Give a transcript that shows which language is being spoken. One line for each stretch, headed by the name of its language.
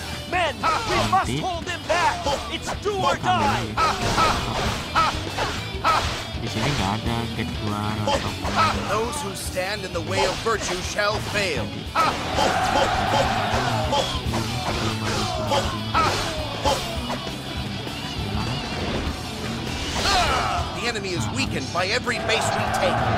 English: Men, we must hold them back! It's do or die!
Indonesian: Di sini nggak ada keduaan atau apa.
English: Those who stand in the way of virtue shall fail. The enemy is weakened by every base we take.